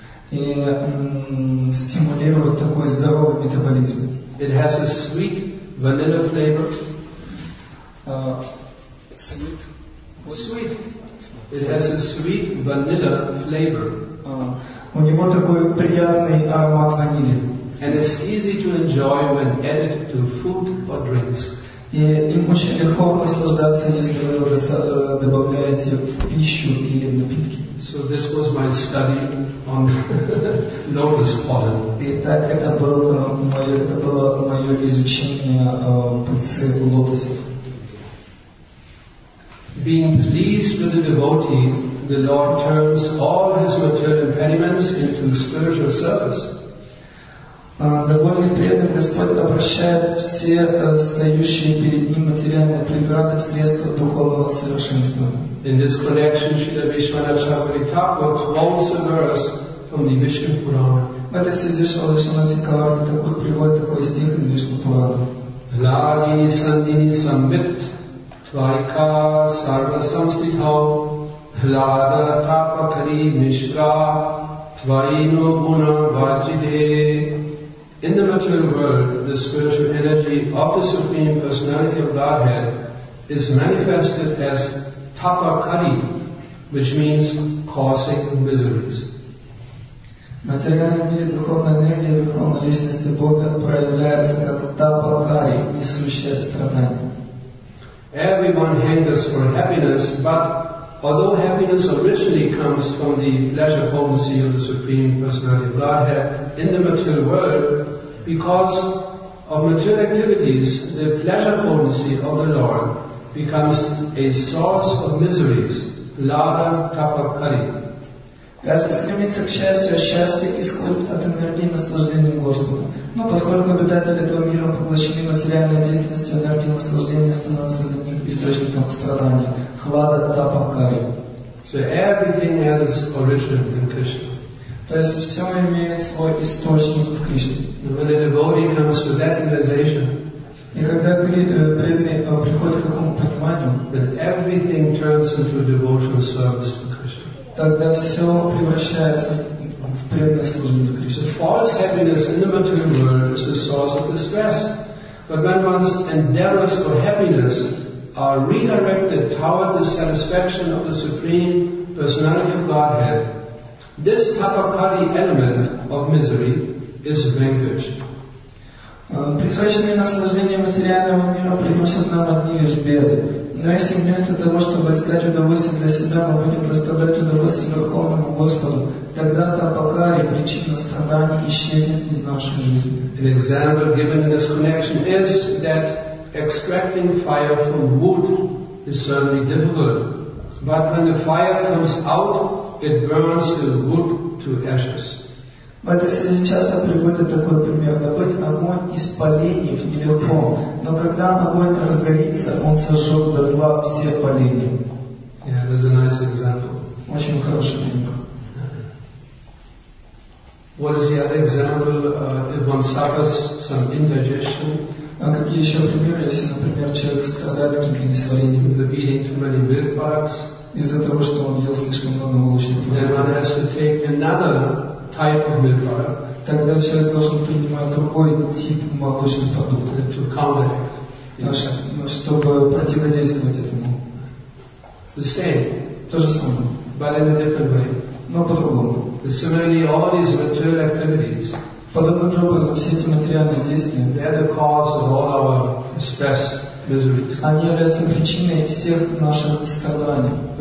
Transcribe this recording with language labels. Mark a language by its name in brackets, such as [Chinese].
[Russian] И стимулирует такой здоровый метаболизм. [English] It has a sweet vanilla flavor. Sweet. Sweet. It has a sweet vanilla flavor. [Russian] У него такой приятный аромат ванили. [English] And it's easy to enjoy when added to food or drinks. [Russian] И им очень легко наслаждаться, если вы его добавляете в пищу или в напитки. [English] So this was my study on lotus pollen. [Russian] Итак, это было мое изучение пыльцы лотосов. [English] Being pleased with the devotee, the Lord turns all his material impediments into spiritual service. [Russian] Довольный преданный Господь обращает все стоящие перед ним материальные преграды в средства духовного совершенствования. [English] In this connection, Śrīla Vishvanatha Chakravarti Thakura quotes a verse from the Vishnu Purana. [Russian] В этой связи Śrīla Vishvanatha Chakravarti Thakura приводит такой стих из Вишну Пурана. [Sanskrit] Nādini sandini samvit tvaika sarva samsthitau hlāda tapakari mishra tvaino guna vajide. [English] In the material world, the spiritual energy of the Supreme Personality of Godhead is manifested as tapakari, which means causing miseries. [Russian] Материальный мир духовной энергии Верховной Личности Бога проявляется как тапакари, несущая страдания. [English] Everyone hungers for happiness, but although happiness originally comes from the pleasure potency of the Supreme Personality of Godhead in the material world, because of material activities, the pleasure potency of the Lord becomes a source of miseries, lada tapakari. [Russian] Каждый стремится к счастью, а счастье исходит от энергии наслаждения Господа. Но поскольку обитатели этого мира поглощены материальной деятельностью, энергия наслаждения становится для них источником страдания, хлада тапакари. [English] So everything has its origin in Krishna. [Russian] То есть все имеет свой источник в Кришне. [English] When a devotee comes to that realization, [Russian] и когда преданный приходит к такому пониманию, [English] that everything turns into a devotional service for Krishna. [Russian] Тогда все превращается в преданное служение Кришне. [English] The false happiness in the material world is the source of distress. But when one's endeavors for happiness are redirected toward the satisfaction of the Supreme Personality of Godhead, this tapakari element of misery is vanquished. [Russian] Призрачные наслаждения материального мира приносят нам одни лишь беды. Но если вместо того, чтобы искать удовольствие для себя, мы будем доставлять удовольствие Верховному Господу, тогда тапакари, причина страданий, исчезнет из нашей жизни. [English] An example given in this connection is that extracting fire from wood is certainly difficult. But when the fire comes out, it burns the wood to ashes. [Russian] В этой связи часто приводит такой пример. Добыть огонь из поленьев нелегко, но когда огонь разгорится, он сожжет до тла все поленья. [English] Yeah, that's a nice example. [Russian] Очень хороший пример. [English] What is the other example if one suffers some indigestion? [Russian] А какие еще примеры, если, например, человек страдает каким-то несварением? [English] Is eating too many milk products? [Russian] Из-за того, что он ел слишком много молочных продуктов. [English] Then one has to take another type of milk product. [Russian] Тогда человек должен принимать другой тип молочных продуктов. [English] To counteract. Yes. [Russian] Чтобы противодействовать этому. [English] The same. [Russian] То же самое. [English] But in a different way. [Russian] Но по-другому. [English] Similarly, all these material activities. [Russian] Подобным же образом, все эти материальные действия. [English] They are the cause of all our stress. [Russian] Они являются причиной всех наших страданий.